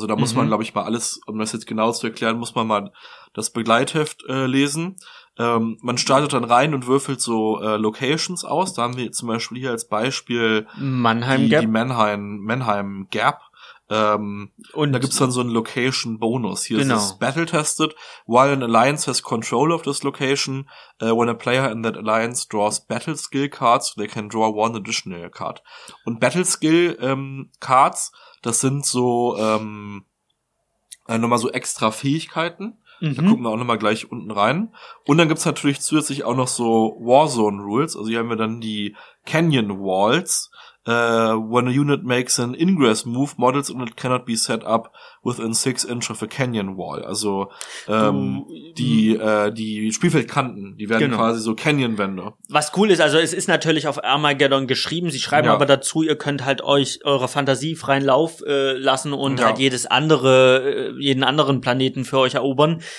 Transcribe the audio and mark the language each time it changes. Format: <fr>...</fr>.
<de>Also da muss man, glaube ich, mal alles, um das jetzt genau zu erklären, muss man mal das Begleitheft lesen. Man startet dann rein und würfelt so Locations aus. Da haben wir zum Beispiel hier als Beispiel Mannheim Gap. Und da gibt's dann so einen Location Bonus. Hier ist es battle tested.</de> <en>While an alliance has control of this location, when a player in that alliance draws battle skill cards, they can draw one additional card.</en> <de>Und battle skill cards, das sind so nochmal so extra Fähigkeiten. Da gucken wir auch nochmal gleich unten rein. Und dann gibt's natürlich zusätzlich auch noch so Warzone Rules. Also hier haben wir dann die Canyon Walls.</de> <en>When a unit makes an ingress move, models and it cannot be set up within 6 inches of a canyon wall.</en> <de>Also die Spielfeldkanten, die werden quasi so Canyon-Wände. Was cool ist, also es ist natürlich auf Armageddon geschrieben, sie schreiben aber dazu, ihr könnt halt euch eure Fantasie freien Lauf lassen und halt jeden anderen Planeten für euch erobern.</de>